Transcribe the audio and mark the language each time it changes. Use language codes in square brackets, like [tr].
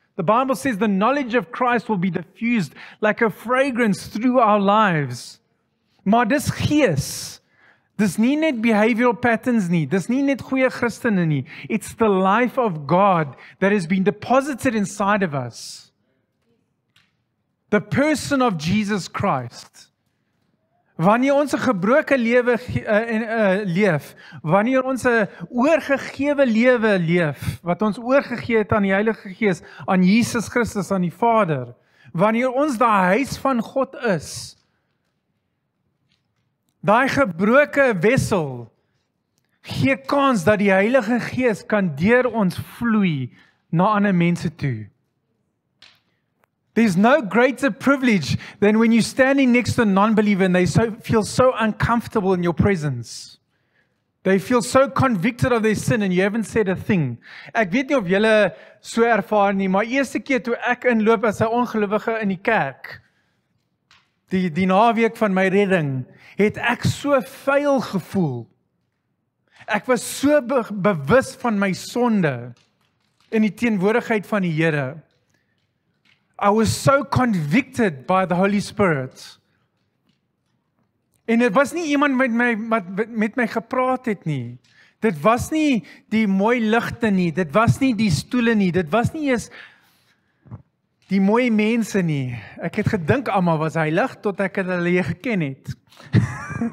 [en] The Bible says the knowledge of Christ will be diffused like a fragrance through our lives. [af] Maar dis gees. Dis nie net [en] behavioral patterns [af] nie. Dis nie net goeie Christene nie. [en] It's the life of God that has been deposited inside of us. The person of Jesus Christ. [af] Wanneer ons 'n gebroke lewe leef, wanneer ons 'n oorgegewe lewe leef, wat ons oorgegee het aan die Heilige Gees, aan Jesus Christus, aan die Vader, wanneer ons daai huis van God is, daai gebroke wessel, gee kans dat die Heilige Gees kan deur ons vloei na ander mense toe. [en] There's no greater privilege than when you're standing next to a non-believer and they so feel so uncomfortable in your presence. They feel so convicted of their sin and you haven't said a thing. [af] Ek weet nie of julle so ervaar nie, maar eerste keer toe ek inloop as 'n ongelowige in die kerk, die naweek van my redding, het ek so vuil gevoel. Ek was so bewus van my sonde in die teenwoordigheid van die Here. [en] I was so convicted by the Holy Spirit. [af] En dit was nie iemand met my gepraat het nie. Dit was nie die mooi ligte nie, dit was nie die stoele nie, dit was nie eens die mooi mense nie. Ek het gedink almal was heilig tot ek hulle geken het.